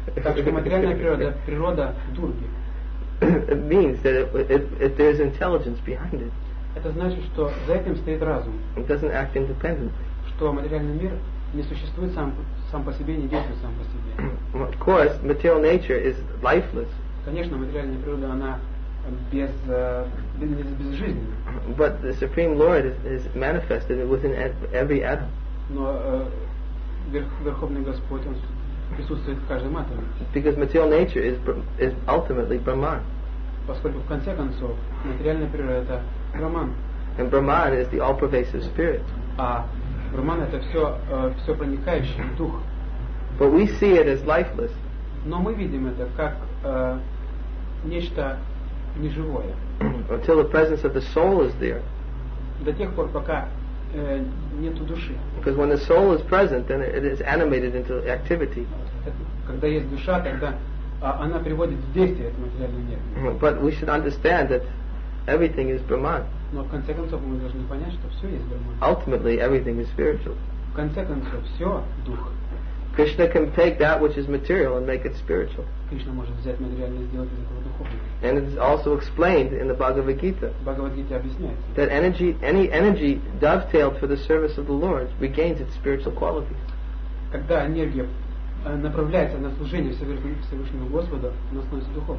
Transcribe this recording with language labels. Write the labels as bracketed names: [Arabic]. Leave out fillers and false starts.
[English] It means that if there is intelligence behind it. [Russian] Это значит, что за этим стоит разум. [English] It doesn't act independently. [Russian] Что материальный мир не существует сам по себе, не действует сам по себе. [English] Of course, material nature is lifeless. [Russian] Конечно, материальная природа она без жизни. [English] But the Supreme Lord is manifested within every atom. [Russian] Но Верховный Господь он присутствует в каждом атоме. [English] Because material nature is ultimately Brahman. [Russian] Поскольку в конце концов материальная природа это Брахман. [English] And Brahman is the all-pervasive spirit. [Russian] А Брахман это все проникающий дух. [English] But we see it as lifeless. [Russian] Но мы видим это как нечто неживое. [English] Until the presence of the soul is there. [Russian] До тех пор, пока нету души. [English] Because when the soul is present, then it is animated into activity. [Russian] Когда есть душа, тогда она приводит в действие эту материальную энергию. [English] But we should understand that everything is Brahman. [Russian] Но в конце концов мы должны понять, что все есть Брахман. [English] Ultimately, everything is spiritual. [Russian] В конце концов, все дух. [English] Krishna can take that which is material and make it spiritual. [Russian] Krishna может взять материальное и сделать из этого духовное. [English] And it is also explained in the Bhagavad Gita. [Russian] Bhagavad Gita объясняется. [English] That energy, any energy dovetailed for the service of the Lord, regains its spiritual qualities. [Russian] Когда энергия направляется на служение Всевышнего Господа, она становится духовной.